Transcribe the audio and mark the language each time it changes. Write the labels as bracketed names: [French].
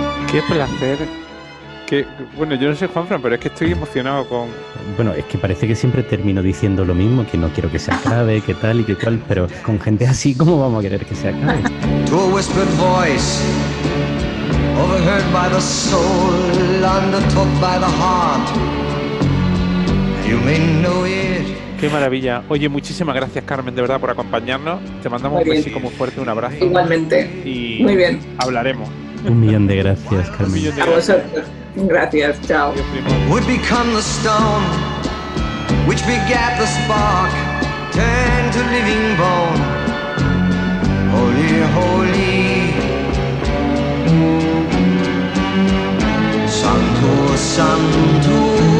[Spanish] Qué placer. Qué, bueno, yo no sé, Juanfran, pero es que estoy emocionado con... Bueno, es que parece que siempre termino diciendo lo mismo, que no quiero que se acabe, qué tal y qué tal, pero con gente así, ¿cómo vamos a querer que se acabe? [English] To a whispered voice, overheard by the soul, undertook by the heart, you may know it. [Spanish] Qué maravilla. Oye, muchísimas gracias, Carmen, de verdad, por acompañarnos. Te mandamos un besito muy fuerte, un abrazo. Igualmente. Y muy bien. Hablaremos. Un millón de gracias, Carmen. A vosotros. Gracias, chao. [English] Would become the stone which begat the spark, turned to living bone. Holy, holy. [Spanish] Santo, santo.